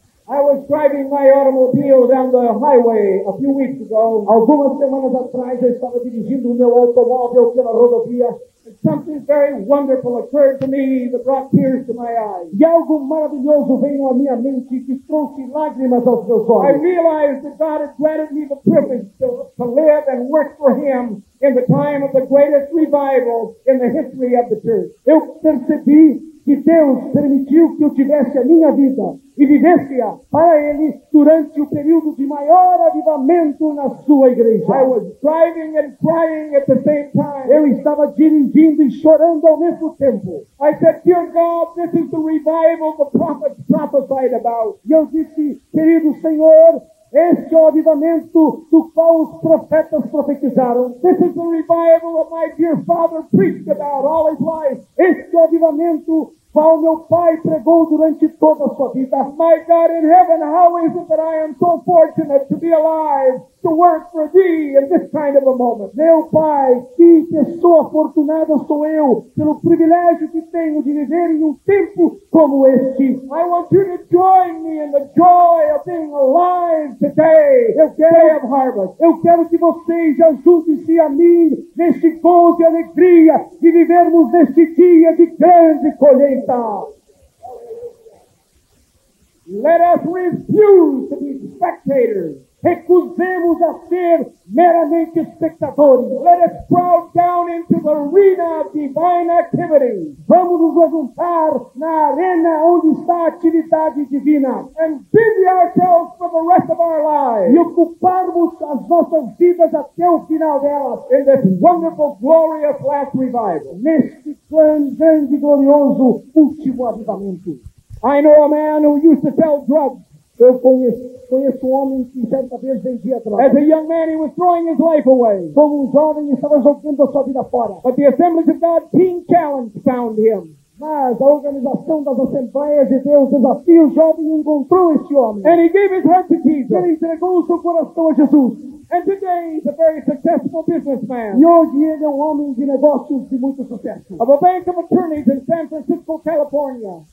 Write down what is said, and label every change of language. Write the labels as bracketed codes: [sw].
[en] I was driving my automobile down the highway a few weeks ago. [pt] Algumas semanas atrás, eu estava dirigindo o meu automóvel pela rodovia. [en] And something very wonderful occurred to me that brought tears to my eyes. [pt] E algo maravilhoso veio à minha mente que trouxe lágrimas aos meus olhos. [en] I realized that God had granted me the privilege to live and work for Him in the time of the greatest revival in the history of the church. [pt] Eu percebi que Deus permitiu que eu tivesse a minha vida e vivência para Ele durante o período de maior avivamento na sua igreja. [en] I was driving and crying at the same time. [pt] Eu estava dirigindo e chorando ao mesmo tempo. [en] I said, dear God, this is the revival the prophets prophesied about. [pt] E eu disse, querido Senhor, este é o avivamento do qual os profetas profetizaram. [en] This is the revival that my dear father preached about all his life. [pt] Este é o avivamento qual meu pai pregou durante toda a sua vida. [en] My God in heaven, how is it that I am so fortunate to be alive to work for thee in this kind of a moment? [pt] Meu pai, que pessoa afortunada sou eu pelo privilégio que tenho de viver em um tempo como este. [en] I want you to join me in the joy of being alive today. [pt] Eu quero, [en] day of harvest. [pt] Eu quero que vocês ajudem-se a mim neste gozo de alegria de vivermos neste dia de grande colheita. [en] Let us refuse to be spectators. [pt] Recusemos a ser meramente espectadores. [en] Let us crowd down into the arena of divine activity. [pt] Vamos nos juntar na arena onde está a atividade divina. [en] And busy ourselves for the rest of our lives. [pt] E ocuparmos as nossas vidas até o final delas. [en] In this wonderful, glorious last revival. [pt] Neste grande e glorioso último avivamento. [en] I know a man who used to sell drugs. [pt] Eu conheço um homem que certa vez vendia drogas. [en] As a young man, he was throwing his life away. [pt] Como um jovem, estava jogando a sua vida fora. [en] But the Assemblies of God Teen Challenge found him. [pt] Mas a organização das Assembleias de Deus desafiou o jovem e encontrou este homem. [en] And he gave his heart to Jesus. [pt] Ele entregou o seu coração a Jesus. [en] And today he's a very successful businessman. [pt] E hoje ele é um homem de negócios de muito sucesso. [en] Of a bank of attorneys in San Francisco, California.